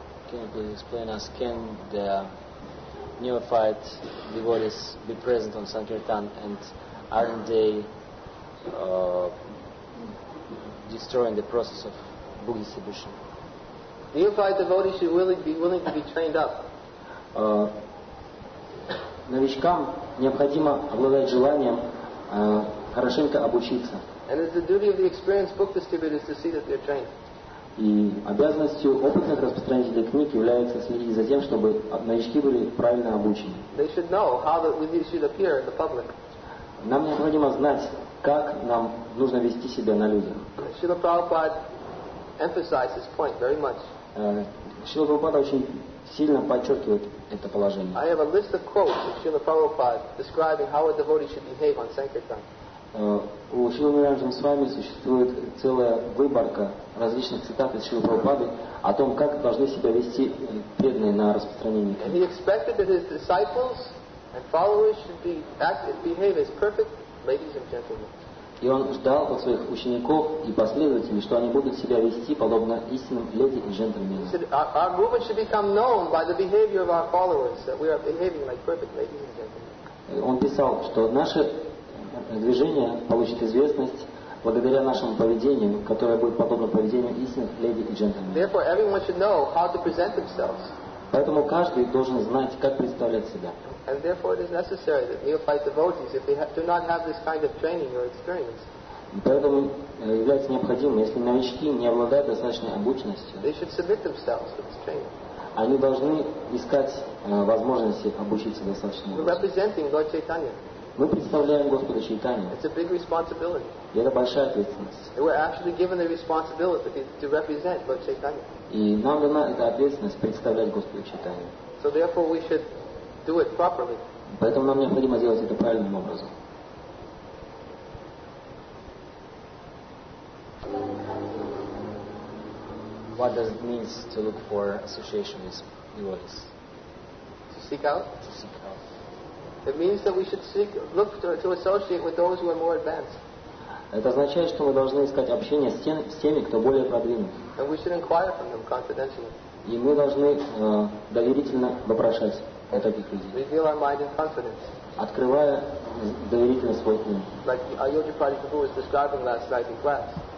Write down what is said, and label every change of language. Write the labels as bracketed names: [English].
[English] Can you please explain us, can the neophyte devotees be present on Sankirtan and aren't they destroying the process of book distribution? Neophyte devotees should really be willing to be trained up. [Russian] Новичкам необходимо обладать желанием хорошенько обучиться. [English] And it's the duty of the experienced book distributors to see that they're trained. [Russian] И обязанностью опытных распространителей книг является следить за тем, чтобы новички были правильно обучены. [English] They should know how they should appear in the public. [Russian] Нам необходимо знать, как нам нужно вести себя на людях. [English] Srila Prabhupada emphasized this point very much. [Russian] Srila Prabhupada очень сильно подчеркивает это положение. [English] I have a list of quotes of Srila Prabhupada describing how a devotee should behave on Sankirtan. [Russian] У Шрилы Нараяна Свами существует целая выборка различных цитат из Шрилы Прабхупады о том, как должны себя вести преданные на распространении. [English] And he expected that his disciples and followers should be acted, behave as perfect ladies and gentlemen. [Russian] И он ждал от своих учеников и последователей, что они будут себя вести подобно истинным леди и джентльменам. [English] Our movement should become known by the behavior of our followers, that we are behaving like perfect ladies and gentlemen. [Russian] Он писал, что наши движение получит известность благодаря нашему поведению, которое будет подобно поведению истинных леди и джентльменов. [English] Therefore, everyone should know how to present themselves. [Russian] Поэтому каждый должен знать, как представлять себя. [English] And therefore, it is necessary that neophyte devotees, if they do not have this kind of training or experience, [Russian] поэтому является необходимым, если новички не обладают достаточной обученностью, [English] they should submit themselves to this training. [Russian] Они должны искать возможности обучиться достаточно. [English] We're representing Lord Chaitanya. [Russian] Мы представляем Господа Чайтанью. [English] It's a big responsibility. [Russian] И это большая ответственность. [English] We're actually given the responsibility to represent Lord Chaitanya. [Russian] И нам дана эта ответственность представлять Господа Чайтанью. [English] So therefore we should do it properly. [Russian] Поэтому нам необходимо делать это правильным образом. [English] What does it mean to look for association with devotees? To seek out? To seek out. It means that we should seek, look to associate with those who are more advanced. [Russian] Это означает, что мы должны искать общение с теми, кто более продвинут. [English] And we should inquire from them confidentially. [Russian] И мы должны доверительно вопрошать о таких людей. [English] Reveal our mind in confidence. [Russian] Открывая доверительно свой ум. [English] Like Ayodhya Prabhu was describing last night in class.